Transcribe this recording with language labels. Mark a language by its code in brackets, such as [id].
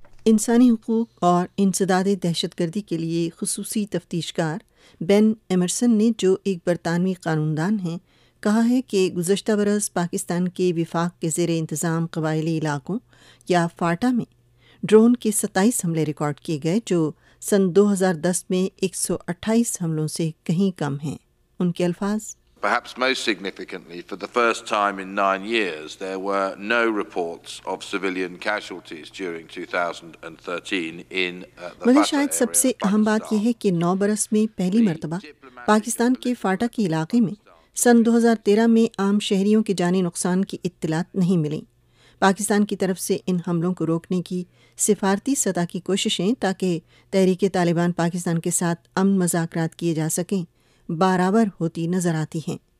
[ur] انسانی حقوق اور انسداد دہشت گردی کے لیے خصوصی تفتیش کار بین ایمرسن نے، جو ایک برطانوی قانون دان ہیں، کہا ہے کہ گزشتہ برس پاکستان کے وفاق کے زیر انتظام قبائلی علاقوں یا فاٹا میں ڈرون کے 27 حملے ریکارڈ کیے گئے، جو سن 2010 میں 128 حملوں سے کہیں کم ہیں۔ ان کے الفاظ: [en] Perhaps most significantly, for the first time in 9 years, there were no reports of civilian casualties during 2013 in the [ur] مگر شاید سب سے اہم بات یہ ہے کہ 9 برس میں پہلی مرتبہ پاکستان کے فاٹا کے علاقے میں سن 2013 میں عام شہریوں کے جانی نقصان کی اطلاع نہیں ملی۔ پاکستان کی طرف سے ان حملوں کو روکنے کی سفارتی سطح کی کوششیں، تاکہ تحریک طالبان پاکستان کے ساتھ امن مذاکرات کیے جا سکیں، برابر ہوتی نظر آتی ہیں۔